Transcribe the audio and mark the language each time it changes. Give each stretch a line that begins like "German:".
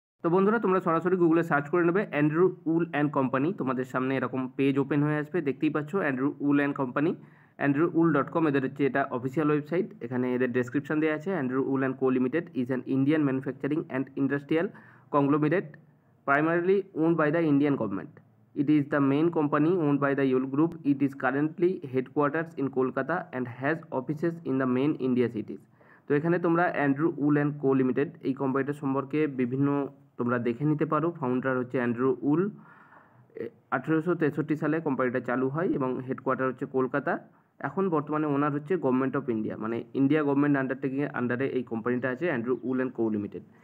Bangla: তো বন্ধুরা, তোমরা সরাসরি গুগলে সার্চ করে নেবে অ্যান্ড্রু উল অ্যান্ড কোম্পানি, তোমাদের সামনে এরকম পেজ ওপেন হয়ে আসবে। দেখতেই পাচ্ছ Andrew ul and company, Andrew ul dot com এদের হচ্ছে এটা অফিসিয়াল ওয়েবসাইট। এখানে এদের ডেসক্রিপশন দেওয়া আছে,
English: Andrew Yule and co limited is an Indian manufacturing and industrial conglomerate primarily owned by the Indian government. It is the main company owned by the Yul Group. It is currently headquarters in Kolkata and has offices in the main India cities.
Bangla: তো এখানে তোমরা Andrew ul and co limited এই কোম্পানিটার সম্পর্কে বিভিন্ন তোমরা দেখে নিতে পারো। ফাউন্ডার হচ্ছে অ্যান্ড্রু উল, 1863 সালে কোম্পানিটা চালু হয় এবং হেডকোয়ার্টার হচ্ছে কলকাতা। এখন বর্তমানে ওনার হচ্ছে গভর্নমেন্ট অফ ইন্ডিয়া, মানে ইন্ডিয়া গভর্নমেন্ট আন্ডারটেকিংয়ের আন্ডারে এই কোম্পানিটা আছে, Andrew ul and co limited.